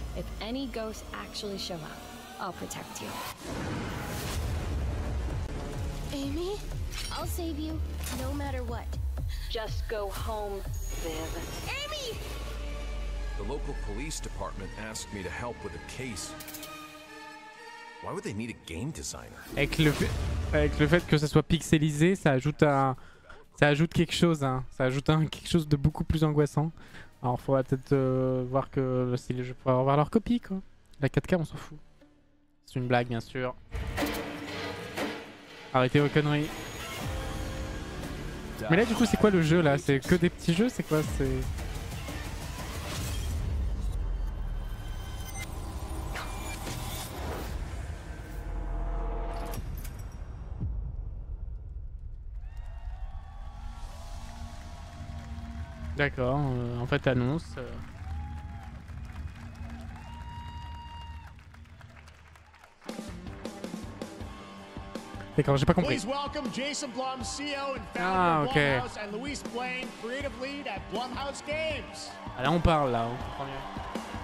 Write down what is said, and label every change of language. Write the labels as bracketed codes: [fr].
[en] If any ghosts actually show up, I'll protect you. Amy? I'll save you, no matter what. Just go home, Viv. Amy! The local police department asked me to help with a case. Why would they need a game designer? [fr] Avec le fait que ça soit pixelisé, ça ajoute quelque chose. Hein. Ça ajoute quelque chose de beaucoup plus angoissant. Alors, faudra peut-être voir que si les jeux pourraient avoir leur copie, quoi. La 4K, on s'en fout. C'est une blague, bien sûr. Arrêtez vos conneries. Mais là, du coup, c'est quoi le jeu là? C'est que des petits jeux? C'est quoi? C'est. D'accord, en fait, annonce. D'accord, j'ai pas compris. [en] Please welcome Jason Blum, CEO and founder of Blumhouse, and Louise Blaine, creative lead at Blumhouse Games. [fr] Ah, là, on parle, là, on comprend mieux.